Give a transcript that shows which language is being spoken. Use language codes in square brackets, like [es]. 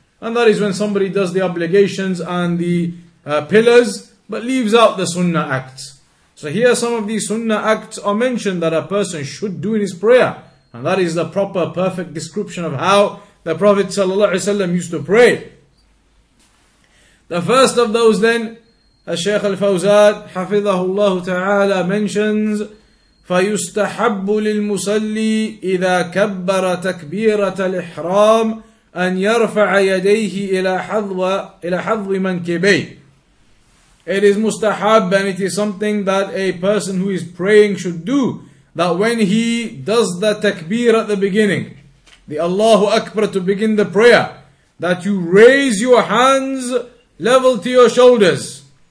[en] And that is when somebody does the obligations and the pillars, but leaves out the sunnah acts. So here some of the sunnah acts are mentioned that a person should do in his prayer. And that is the proper, perfect description of how the Prophet ﷺ used to pray. The first of those then, [ar] الشيخ الفوزان حفظه الله تعالى mentions فيستحب للمصلي إذا كبر تكبيرة الإحرام أن يرفع يديه إلى حظو منكبيه. [en] It is mustahab, and it is something that a person who is praying should do, that when he does the takbir at the beginning, the Allahu Akbar to begin the prayer, that you raise your hands level to your shoulders.